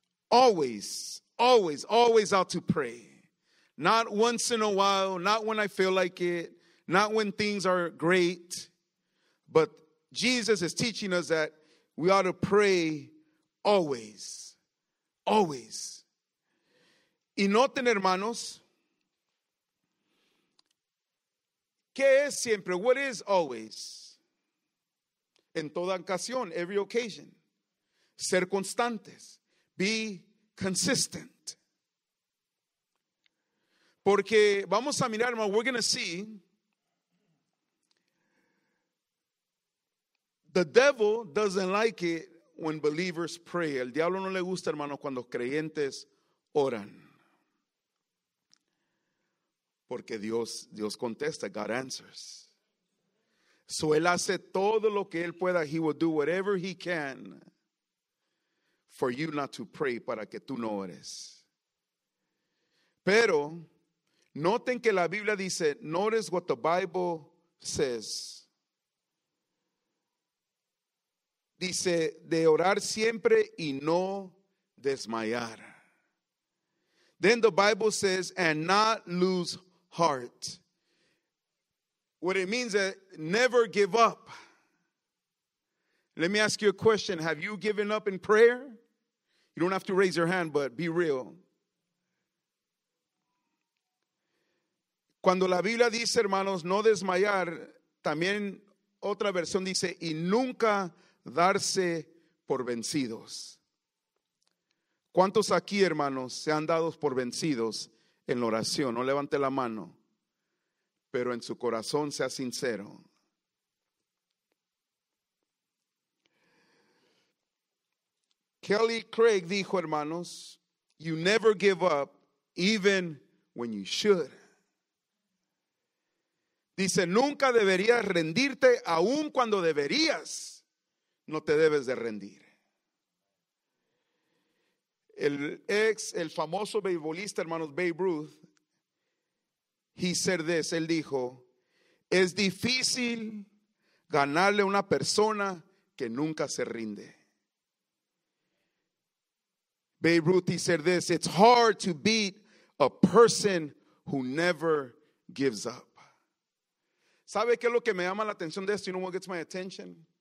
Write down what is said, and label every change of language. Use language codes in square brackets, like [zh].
[en] Always, always, always ought to pray. Not once in a while, not when I feel like it, not when things are great. But Jesus is teaching us that we ought to pray always. Always. [es] Y noten, hermanos, ¿qué es siempre? [en] What is always? [es] En toda ocasión, [en] every occasion. [es] Ser constantes. [en] Be consistent. [es] Porque vamos a mirar, hermanos, [en] we're going to see. The devil doesn't like it when believers pray. [es] El diablo no le gusta, hermanos, cuando creyentes oran. Porque Dios contesta, [en] God answers. [es] So él hace todo lo que él pueda, [en] he will do whatever he can for you not to pray, [es] para que tú no ores. Pero, noten que la Biblia dice, [en] notice what the Bible says. [es] Dice, de orar siempre y no desmayar. [en] Then the Bible says, and not lose hope. Heart. What it means is never give up. Let me ask you a question. Have you given up in prayer? You don't have to raise your hand, but be real. [es] Cuando la Biblia dice, hermanos, no desmayar, también otra versión dice, y nunca darse por vencidos. ¿Cuántos aquí, hermanos, se han dado por vencidos en la oración? No levante la mano. Pero en su corazón sea sincero. [en] Kelly Craig [es] dijo, hermanos, [en] you never give up even when you should. [es] Dice, nunca deberías rendirte aun cuando deberías. No te debes de rendir. El famoso beisbolista, hermanos, Babe Ruth, [en] he said this, [es] él dijo, es difícil ganarle a una persona que nunca se rinde. [en] Babe Ruth, he said this, it's hard to beat a person who never gives up. [es] ¿Sabe qué es lo que me llama la atención de esto? [en] You know what gets my attention?